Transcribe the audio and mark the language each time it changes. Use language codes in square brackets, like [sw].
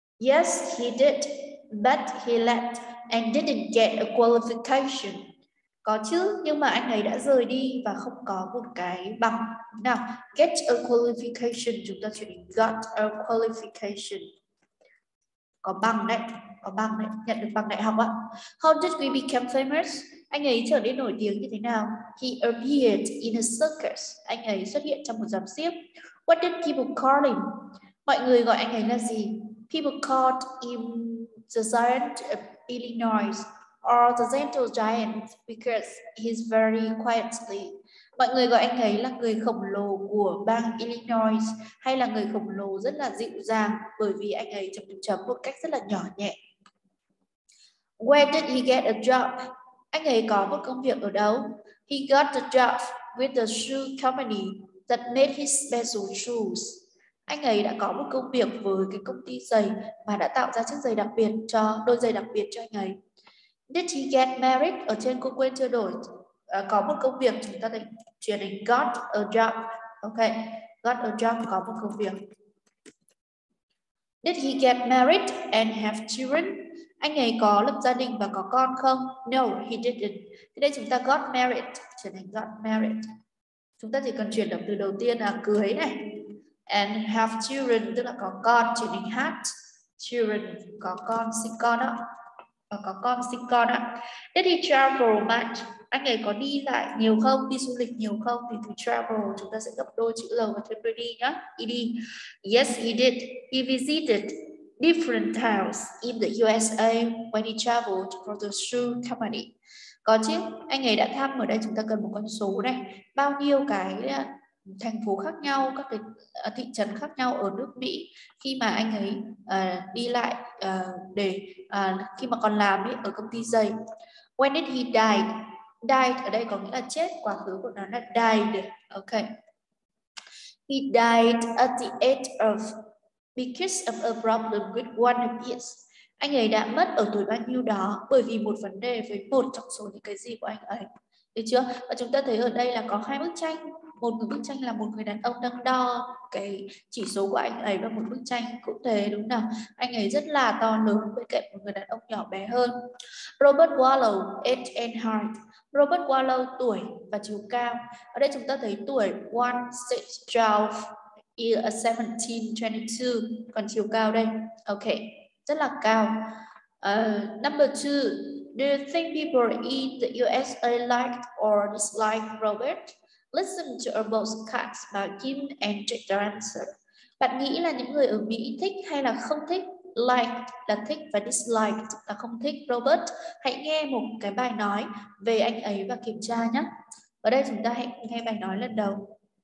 [en] Yes, he did, but he left and didn't get a qualification. [vi] Có chứ, nhưng mà anh ấy đã rời đi và không có một cái bằng. Nào, [en] get a qualification, [vi] chúng ta chuyển [en] got a qualification. [vi] Có bằng đấy, nhận được bằng đại học ạ. [en] How did we become famous? [vi] Anh ấy trở nên nổi tiếng như thế nào? [en] He appeared in a circus. [vi] Anh ấy xuất hiện trong một rạp xiếc. [en] What did people call him? [vi] Mọi người gọi anh ấy là gì? [en] People called him the giant of Illinois or the gentle giant because he's very quietly. [vi] Mọi người gọi anh ấy là người khổng lồ của bang Illinois hay là người khổng lồ rất là dịu dàng bởi vì anh ấy chấm chấm chấm một cách rất là nhỏ nhẹ. [en] Where did he get a job? [vi] Anh ấy có một công việc ở đâu? [en] He got a job with the shoe company that made his special shoes. [vi] Anh ấy đã có một công việc với cái công ty giày mà đã tạo ra chiếc giày đặc biệt cho đôi giày đặc biệt cho anh ấy. [en] Did he get married? [vi] Ở trên cô quên chưa đổi. Có một công việc chúng ta chuyển thành [en] got a job. [vi] Okay. [en] Got a job [vi] có một công việc. [en] Did he get married and have children? [vi] Anh ấy có lập gia đình và có con không? [en] No, he didn't. [vi] Thế đây chúng ta [en] got married [vi] chuyển thành got married. Chúng ta chỉ cần chuyển động từ đầu tiên là cưới này. [en] And have children [vi] tức là có con chuyển thành [en] had children [vi] có con sinh con đó. Và có con sinh con ạ. [en] Did he travel much? [vi] Anh ấy có đi lại nhiều không? Đi du lịch nhiều không? Thì từ travel chúng ta sẽ gấp đôi chữ L và thêm đi nhá. [en] ED. Yes, he did. He visited different towns in the USA when he traveled for the shoe company. [vi] Có chứ, anh ấy đã thăm ở đây chúng ta cần một con số này. Bao nhiêu cái thành phố khác nhau, các cái thị trấn khác nhau ở nước Mỹ khi mà anh ấy đi lại để khi mà còn làm ấy, ở công ty giày. [en] When did he die? [vi] Died ở đây có nghĩa là chết, quá khứ của nó là died. [en] Okay. He died at the age of because of a problem with one of his. [vi] Anh ấy đã mất ở tuổi bao nhiêu đó bởi vì một vấn đề với một trong số những cái gì của anh ấy. Được chưa? Và chúng ta thấy ở đây là có hai bức tranh. Một người bức tranh là một người đàn ông đang đo cái chỉ số của anh ấy và một bức tranh cũng thế đúng không nào? Anh ấy rất là to lớn bên cạnh một người đàn ông nhỏ bé hơn. Robert Wallow, [en] age and height. [vi] Robert Wallow tuổi và chiều cao. Ở đây chúng ta thấy tuổi 1, 6, 12, 17, 22 còn chiều cao đây. Ok, rất là cao. [en] Number 2, do you think people in the USA liked or disliked Robert? Listen to our podcast about Kim and check the answer. [vi] Bạn nghĩ là những người ở Mỹ thích hay là không thích? Like là thích và dislike là không thích Robert. Hãy nghe một cái bài nói về anh ấy và kiểm tra nhé. Ở đây chúng ta hãy nghe bài nói lần đầu.